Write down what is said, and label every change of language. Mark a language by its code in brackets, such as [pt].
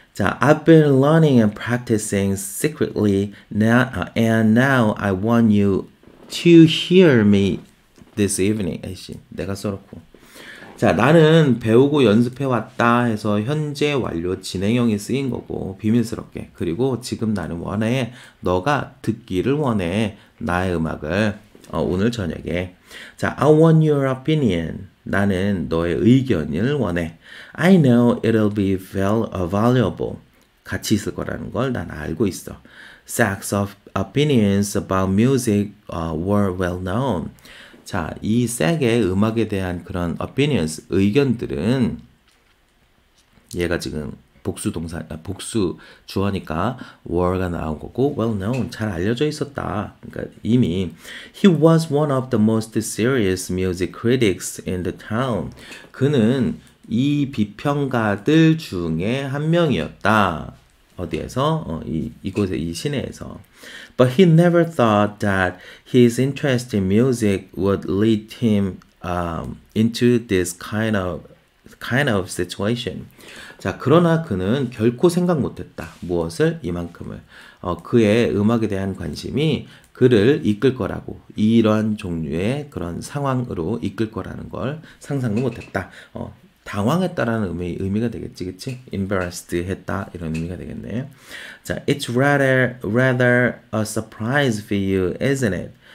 [en] 자, I've been learning and practicing secretly now, and now I want you to hear me this evening. [ko] 에이씨, 내가 써놓고. 자, 나는 배우고 연습해 왔다 해서 현재 완료 진행형이 쓰인 거고, 비밀스럽게. 그리고 지금 나는 원해, 너가 듣기를 원해, 나의 음악을. 오늘 저녁에. [en] 자, I want your opinion. [ko] 나는 너의 의견을 원해. [en] I know it'll be valuable. [ko] 가치 있을 거라는 걸난 알고 있어. [en] Sacks of opinions about music were well known. [ko] 자, 이 색의 음악에 대한 그런 opinions, 의견들은 얘가 지금 복수 동사, 복수 주어니까 were가 나온 거고, [en] well known, [ko] 잘 알려져 있었다. 그러니까 이미 [en] he was one of the most serious music critics in the town. [ko] 그는 이 비평가들 중에 한 명이었다. 어디에서? 이곳에, 이 시내에서. [en] But he never thought that his interest in music would lead him into this kind of situation. [ko] 자, 그러나 그는 결코 생각 못했다. 무엇을? 이만큼을. 그의 음악에 대한 관심이 그를 이끌 거라고, 이러한 종류의 그런 상황으로 이끌 거라는 걸 상상도 못했다. 당황했다라는 의미가 되겠지, 그치? Embarrassed 했다, 이런 의미가 되겠네요. [en] 자, It's rather a surprise for you, isn't it?